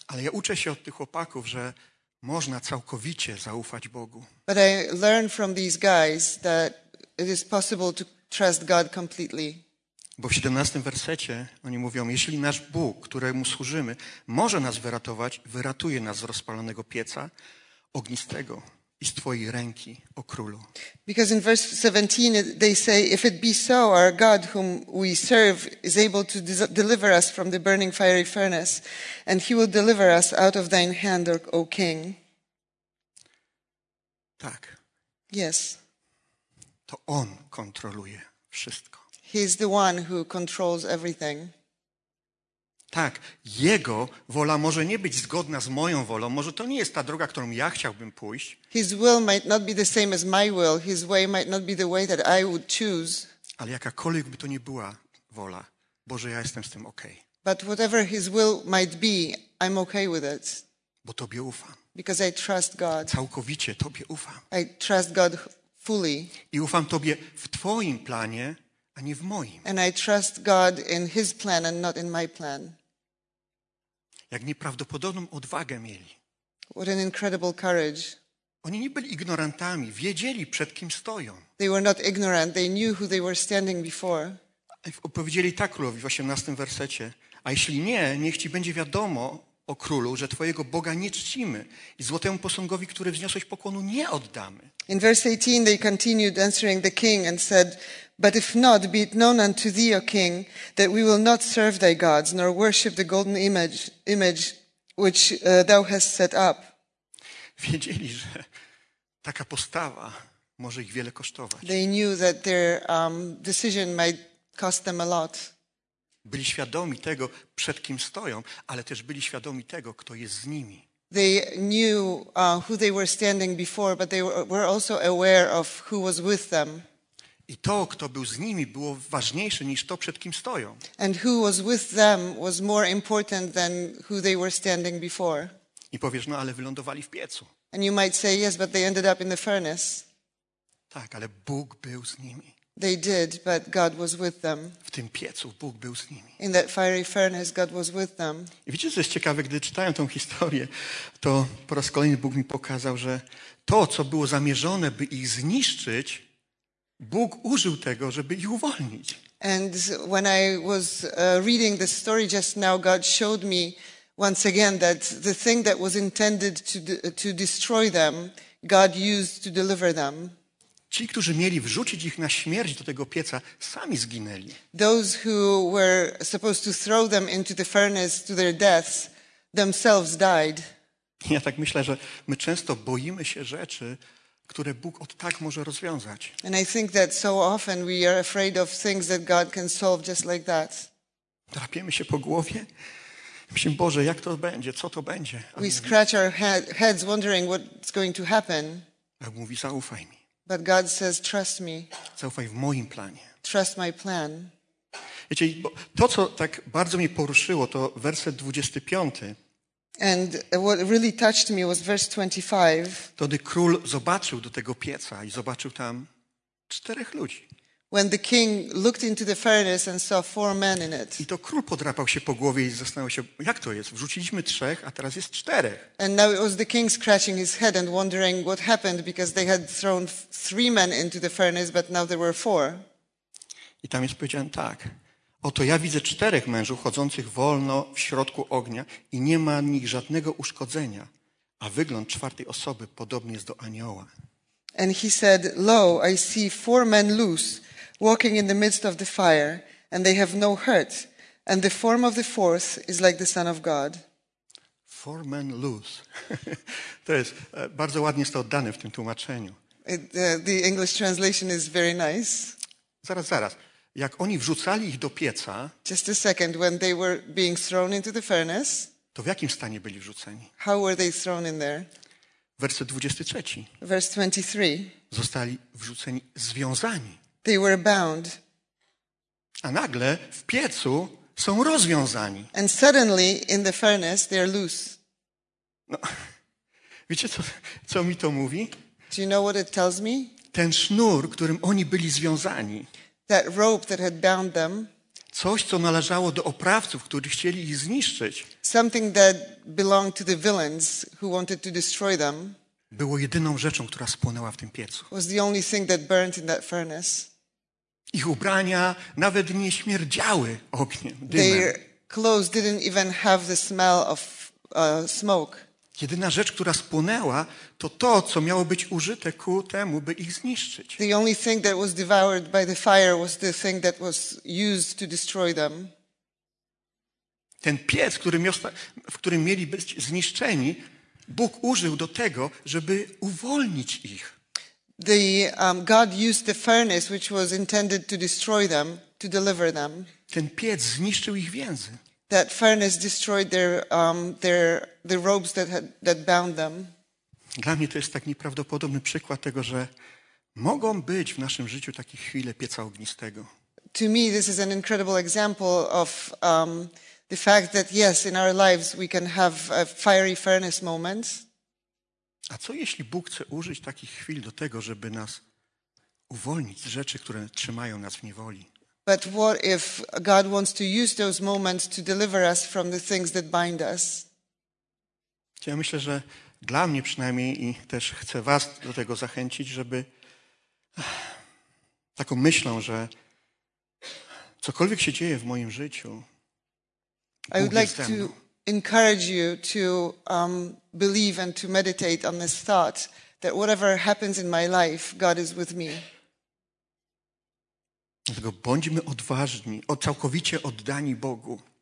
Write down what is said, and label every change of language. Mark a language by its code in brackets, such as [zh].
[pl] Ale ja uczę się od tych chłopaków, że można całkowicie zaufać Bogu. [en] But I learned from these guys that it is possible to trust God completely. [pl] Bo w 17 wersecie oni mówią, jeśli nasz Bóg, któremu służymy, może nas wyratować, wyratuje nas z rozpalonego pieca ognistego i z twojej ręki, o królu. [en] Because in verse 17 they say, if it be so, our God whom we serve is able to deliver us from the burning fiery furnace, and he will deliver us out of thine hand, O king. [pl] Tak. [en] Yes. [pl] To on kontroluje wszystko. [en] He is the one who controls everything. [pl] Tak, jego wola może nie być zgodna z moją wolą, może to nie jest ta droga, którą ja chciałbym pójść. [en] His will might not be the same as my will. His way might not be the way that I would choose. [pl] Ale jakakolwiek by to nie była wola, Boże, ja jestem z tym okej. [en] Okay. But whatever his will might be, I'm okay with it. [pl] Bo tobie ufam. [en] Because I trust God. [pl] Całkowicie tobie ufam. [en] I trust God fully. [pl] I ufam tobie w twoim planie, a nie w moim. [en] And I trust God in his plan and not in my plan. [pl] Jak nieprawdopodobną odwagę mieli. [en] What an incredible courage. [pl] Oni nie byli ignorantami, wiedzieli, przed kim stoją. [en] They were not ignorant, they knew who they were standing before. [pl] Opowiedzieli tak królowi w 18 wersecie, a jeśli nie, niech ci będzie wiadomo, o królu, że twojego Boga nie czcimy i złotemu posągowi, który wzniosłeś pokłonu, nie oddamy. [en] In verse 18 they continued answering the king and said, but if not, be it known unto thee, O king, that we will not serve thy gods, nor worship the golden image which thou hast set up. [pl] Wiedzieli, że taka postawa może ich wiele kosztować. [en] They knew that their decision might cost them a lot. [pl] Byli świadomi tego, przed kim stoją, ale też byli świadomi tego, kto jest z nimi. [en] They knew who they were standing before, but they were also aware of who was with them. [pl] I to, kto był z nimi, było ważniejsze niż to, przed kim stoją. [en] And who was with them was more important than who they were standing before. [pl] I powiesz, no ale wylądowali w piecu. [en] And you might say, yes, but they ended up in the furnace. [pl] Tak, ale Bóg był z nimi. [en] They did, but God was with them. [pl] W tym piecu Bóg był z nimi. [en] In that fiery furnace, God was with them. [pl] I wiecie, co jest ciekawe, gdy czytałem tą historię, to po raz kolejny Bóg mi pokazał, że to, co było zamierzone, by ich zniszczyć, Bóg użył tego, żeby ich uwolnić. [en] And when I was reading this story just now, God showed me once again that the thing that was intended to destroy them, God used to deliver them. [pl] Ci, którzy mieli wrzucić ich na śmierć do tego pieca, sami zginęli. [en] Those who were supposed to throw them into the furnace to their deaths themselves died. [pl] Ja tak myślę, że my często boimy się rzeczy, które Bóg od tak może rozwiązać. [en] And I think that so often we are afraid of things that God can solve just like that. [pl] Drapiemy się po głowie. Myślimy, Boże, jak to będzie? Co to będzie? Ale [en] we scratch our heads wondering what's going to happen. [pl] Bóg mówi, zaufaj mi. [en] But God says, trust me. [pl] Zaufaj w moim planie. [en] Trust my plan. [pl] Wiecie, to, co tak bardzo mnie poruszyło, to werset 25. [en] And what really touched me was verse 25. [pl] To gdy król zobaczył do tego pieca i zobaczył tam czterech ludzi. [en] When the king looked into the furnace and saw four men in it. [pl] I to król podrapał się po głowie i zastanawiał się, jak to jest? Wrzuciliśmy trzech, a teraz jest czterech. [en] And now it was the king scratching his head and wondering what happened because they had thrown three men into the furnace, but now there were four. [pl] I tam jest powiedziane tak. Oto ja widzę czterech mężów chodzących wolno w środku ognia i nie ma w nich żadnego uszkodzenia, a wygląd czwartej osoby podobny jest do anioła. [en] And he said, lo, I see four men loose, walking in the midst of the fire, and they have no hurt. And the form of the fourth is like the Son of God. Four men loose. [pl] To jest, bardzo ładnie jest to oddane w tym tłumaczeniu. [en] The English translation is very nice. [pl] Zaraz, zaraz. Jak oni wrzucali ich do pieca, [en] just a second, when they were being thrown into the furnace, [pl] to w jakim stanie byli wrzuceni? [en] How were they thrown in there? [pl] Werset 23. [en] Verse 23. [pl] Zostali wrzuceni związani. [en] They were bound. [pl] A nagle w piecu są rozwiązani. [en] And suddenly in the furnace they are loose. [pl] No, wiecie, co mi to mówi? [en] Do you know what it tells me? [pl] Ten sznur, którym oni byli związani, [en] that rope that had bound them, [pl] Coś, co należało do oprawców, którzy chcieli ich zniszczyć. [en] Something that belonged to the villains who wanted to destroy them. [pl] Było jedyną rzeczą, która spłonęła w tym piecu. [en] Was the only thing that burned in that furnace. [pl] Ich ubrania nawet nie śmierdziały ogniem, dymem. [en] Their clothes didn't even have the smell of smoke. [pl] Jedyna rzecz, która spłonęła, to to, co miało być użyte ku temu, by ich zniszczyć. [en] The only thing that was devoured by the fire was the thing that was used to destroy them. [pl] Ten piec, w którym mieli być zniszczeni, Bóg użył do tego, żeby uwolnić ich. [en] God used the furnace, which was intended to destroy them, to deliver them. [pl] Ten piec zniszczył ich więzy. [en] That furnace destroyed the robes that bound them. [pl] Dla mnie to jest tak nieprawdopodobny przykład tego, że mogą być w naszym życiu takie chwile pieca ognistego. [en] To me this is an incredible example of the fact that yes, in our lives we can have a fiery furnace moments. [pl] A co jeśli Bóg chce użyć takich chwil do tego, żeby nas uwolnić z rzeczy, które trzymają nas w niewoli? [en] But what if God wants to use those moments to deliver us from the things that bind us? [pl] Ja myślę, że dla mnie przynajmniej i też chcę was do tego zachęcić, żeby taką myślą, że cokolwiek się dzieje w moim życiu, [en] I would like to encourage you to believe and to meditate on this thought that whatever happens in my life, God is with me. [pl] Dlatego bądźmy odważni, całkowicie oddani Bogu.